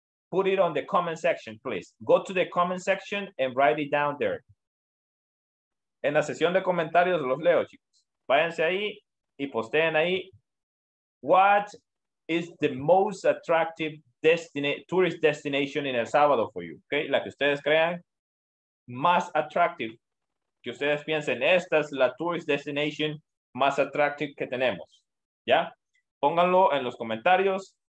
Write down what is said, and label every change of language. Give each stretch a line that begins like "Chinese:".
English: Put it on the comment section, please. Go to the comment section and write it down there.
Spanish: En la sesión de comentarios los leo, chicos. Váyanse ahí y posteen ahí.
English: What is the most attractive tourist destination in El Salvador for you?
Spanish: Okay, la que ustedes crean más attractive. Que ustedes piensen, esta es la
English: tourist destination
Spanish: más attractive que tenemos. ¿Ya? Pónganlo en los comentarios.